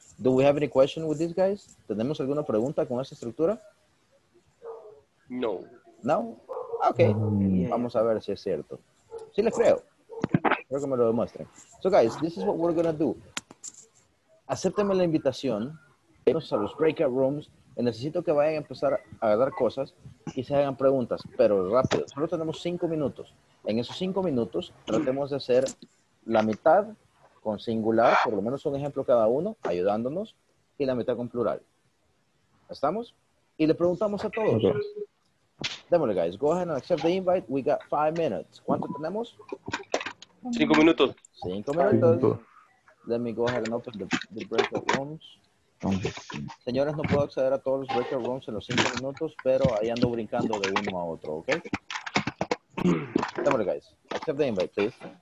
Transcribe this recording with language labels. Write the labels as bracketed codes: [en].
[en] Do we have any question with these guys? [es] ¿Tenemos alguna pregunta con esa estructura? No. No? Okay. Vamos a ver si es cierto. Sí les creo. Creo que me lo demuestren. [en] So guys, this is what we're going to do. [es] Acéptenme la invitación. Vamos a los breakout rooms. Necesito que vayan a empezar a dar cosas y se hagan preguntas, pero rápido. Solo tenemos 5 minutos. En esos 5 minutos, tratemos de hacer la mitad con singular, por lo menos un ejemplo cada uno, ayudándonos, y la mitad con plural. ¿Estamos? Y le preguntamos a todos. Okay. Démosle, guys. [en] Go ahead and accept the invite. We got 5 minutes. [es] ¿Cuánto tenemos? 5 minutos. 5 minutos. [en] Let me go ahead and open the breakout rooms. [es] Señores, no puedo acceder a todos los breakout rooms en los 5 minutos, pero ahí ando brincando de uno a otro, ¿ok? Démosle, [en] guys. Accept the invite, please.